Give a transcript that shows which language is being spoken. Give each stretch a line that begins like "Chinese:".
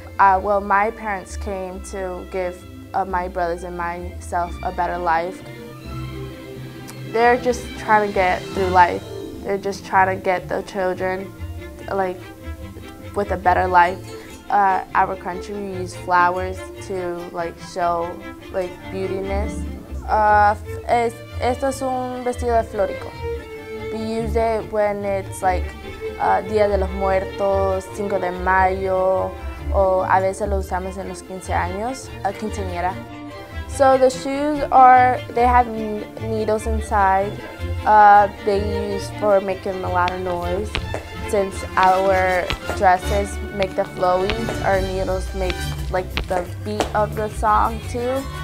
English: Well, my parents came to give my brothers and myself a better life. They're just trying to get through life. They're just trying to get the children with a better life. Our country, we use flowers to show beautiness.
Spanish: Esto es un vestido de florico.
English: We use it when it's
Spanish: Día de los Muertos, Cinco de Mayo, o a veces lo usamos en los 15 años, a quinceañera.
English: So the shoes they have needles inside. They use for making a lot of noise. Since our dresses make the flowies, our needles make the beat of the song too.